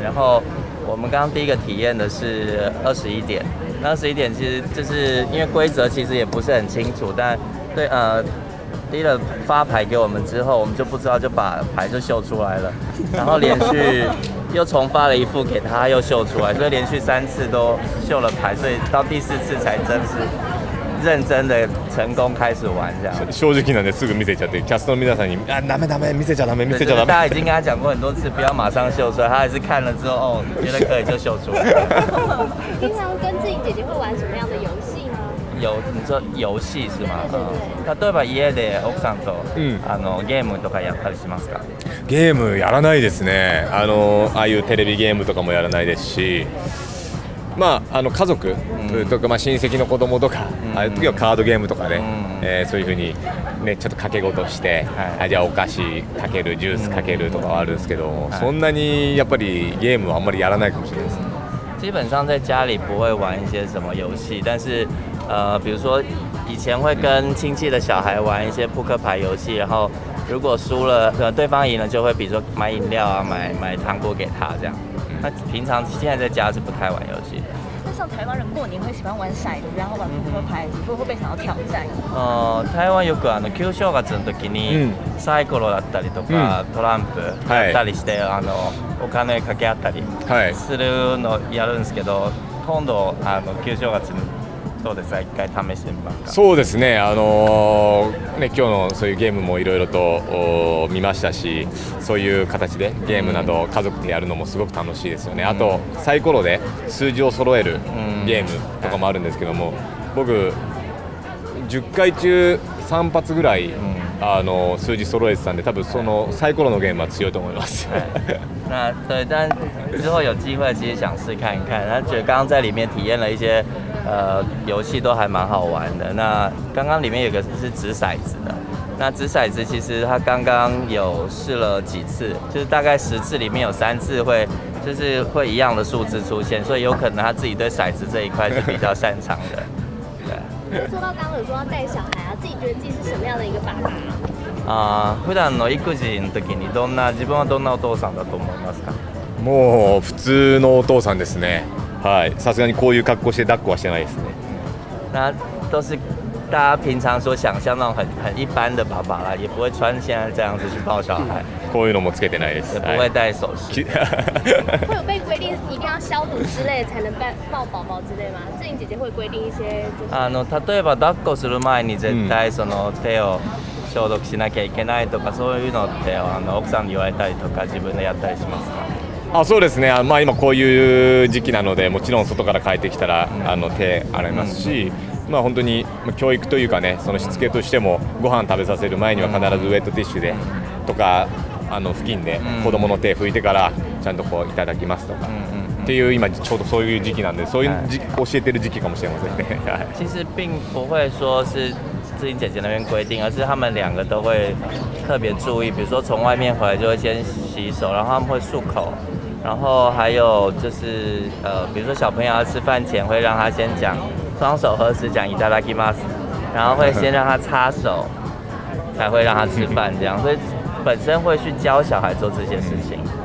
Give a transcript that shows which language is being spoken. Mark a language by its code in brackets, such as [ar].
[zh] 然后我们刚刚第一个体验的是21点，那21点其实就是因为规则其实也不是很清楚，但对第一个发牌给我们之后，我们就不知道就把牌就秀出来了，然后连续又重发了一副给他又秀出来，所以连续三次都秀了牌，所以到第四次才真是。认真的成功开始玩这样。 [ja] 正直なんですぐ見せちゃって、キャストの皆さんにあダメダメ見せちゃダメ見せちゃダメ。 [zh] 大家已经跟他讲过很多次，不要马上秀出来，他还是看了之后哦，觉得可以就秀出来。平常跟自己姐姐会玩什么样的游戏呢？有你说游戏是吗？对对对。 [ja] 例えば家で奥さんと、ゲームとかやったりしますか？ゲームやらないですね。ああいうテレビゲームとかもやらないですし。まあ家族とか、まあ、親戚の子供とか、ああいう時はカードゲームとかね、そういうふうに、ね、ちょっと掛け事して、はい、じゃあお菓子かけるジュースかけるとかはあるんですけど、そんなにやっぱりゲームはあんまりやらないかもしれないですね。 [zh] 基本上在家里不会玩一些什么游戏，但是比如说以前会跟亲戚的小孩玩一些扑克牌游戏，然后如果输了对方赢了就会比如说买饮料啊买糖果给他这样。那平常现在在家是不太玩游戏。那像台湾人过年会喜欢玩骰子，然后玩扑克牌，会不会被想要挑战？ [ja] 台湾よく旧正月の時にサイコロだったりとか、トランプやったりして、お金かけ合ったりするのやるんですけど、今度旧正月にどうですか、一回試してみますか？そうですね。ね、今日のそういうゲームもいろいろと見ましたし、そういう形でゲームなど家族でやるのもすごく楽しいですよね。あとサイコロで数字を揃えるゲームとかもあるんですけども、僕10回中3発ぐらい数字揃えてたんで、多分そのサイコロのゲームは強いと思います。 [zh] 那对，但之后有机会其实想试看看。那觉得刚刚在里面体验了一些游戏都还蛮好玩的。那刚刚里面有个是掷骰子的，那掷骰子其实他刚刚有试了几次，就是大概10次里面有3次会就是会一样的数字出现，所以有可能他自己对骰子这一块是比较擅长的。对。说到刚刚说要带小孩啊，自己觉得自己是什么样的一个爸爸 [ja] 啊，普段の育児の時にどんな自分はどんなお父さんだと思いますか？もう普通のお父さんですね。はい、さすがにこういう格好して抱っこはしてないですね。 [zh] 那都是大家平常所想像那种 很一般的爸爸啦，也不会穿现在这样子去抱小孩。 [ja] こういうのもつけてないです。 [zh] 也不会戴首饰。会有被规定一定要消毒之类才能抱宝宝之类吗？志玲姐姐会规定一些就是？ [ja] 例えば抱っこする前に絶対その手を消毒しなきゃいけないとか、そういうのって奥さんに言われたりとか自分でやったりしますか？あ、そうですね。まあ今こういう時期なので、もちろん外から帰ってきたら手洗いますし、まあ本当に教育というかね、そのしつけとしてもご飯食べさせる前には必ずウェットティッシュでとか布巾で子供の手拭いてからちゃんとこういただきますとかっていう、今ちょうどそういう時期なんで、そういう教えてる時期かもしれませんね。 [zh] 其实并不会说是志玲姐姐那边规定，而是他们两个都会特别注意，比如说从外面回来就会先洗手，然后他们会漱口，然后还有就是比如说小朋友要吃饭前会让他先讲双手合十讲いただきます，然后会先让他擦手，才会让他吃饭这样，所以本身会去教小孩做这些事情。